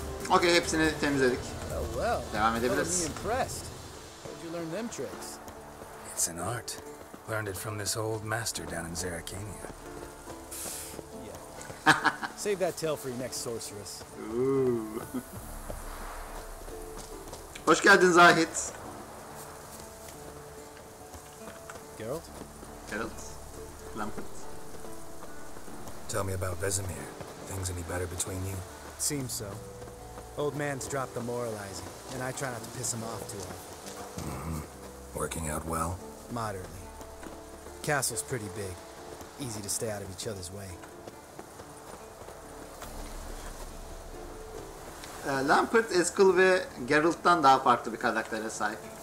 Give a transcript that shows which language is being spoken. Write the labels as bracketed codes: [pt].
[tr] Okay, hepsini temizledik. Devam edebiliriz. [en] I'm impressed. Where'd you learn them tricks? It's an art. Learned it from this old master down in Zeracania. Yeah. Save that tale for your next sorceress. Ooh. [tr] Hoş geldin Zahit. [en] Geralt? Geralt. Lambert. Tell me about Vesemir. Things any better between you? Seems so. Old man's dropped the moralizing, and I try not to piss him off too often. Mm-hmm. Working out well? Moderately. Castle's pretty big. Easy to stay out of each other's way. [tr] Lambert, Eskil ve Geralt'tan daha farklı bir karaktere sahip.